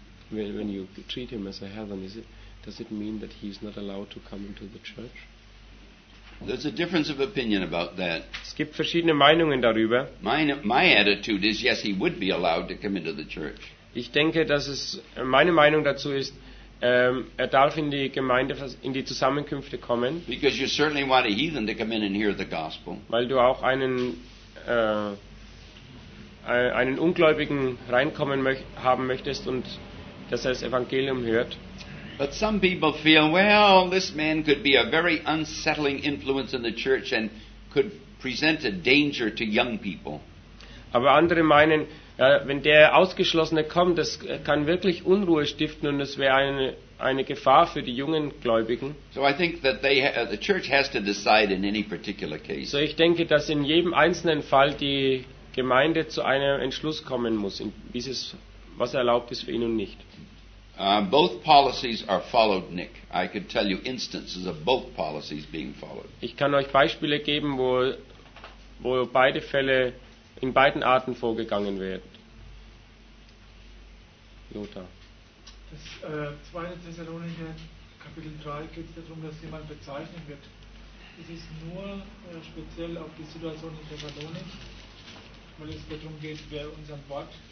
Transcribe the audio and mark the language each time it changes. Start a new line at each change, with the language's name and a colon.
English: When you treat him as a heathen, does it mean that he is not allowed to come into the church? There's a difference of opinion about that.
German: Es gibt verschiedene Meinungen darüber.
English: My attitude is, yes, he would be allowed to come into the church.
German: Ich denke, dass es meine Meinung dazu ist, er darf in die Gemeinde, in die Zusammenkünfte kommen.
English: Because you certainly want a heathen to come in and hear the gospel.
German: Weil du auch einen Ungläubigen reinkommen haben möchtest und dass er das Evangelium hört.
English: But some people feel, well, this man could be a very unsettling influence in the church and could present a danger to young people.
German: Aber andere meinen, ja, wenn der Ausgeschlossene kommt, das kann wirklich Unruhe stiften und es wäre eine Gefahr für die jungen Gläubigen.
English: So I think that the church has to decide in any particular case.
German: So ich denke, dass in jedem einzelnen Fall die Gemeinde zu einem Entschluss kommen muss, was erlaubt ist für ihn und nicht.
English: Both policies are followed, Nick. I could tell you instances of both policies being followed.
German: Ich kann euch Beispiele geben, wo beide Fälle in beiden Arten vorgegangen wird. Lothar. Das 2. Thessalonicher Kapitel 3 geht es darum, dass jemand bezeichnet wird. Es ist nur speziell auf die Situation in Thessalonik, weil es darum geht, wer unser Wort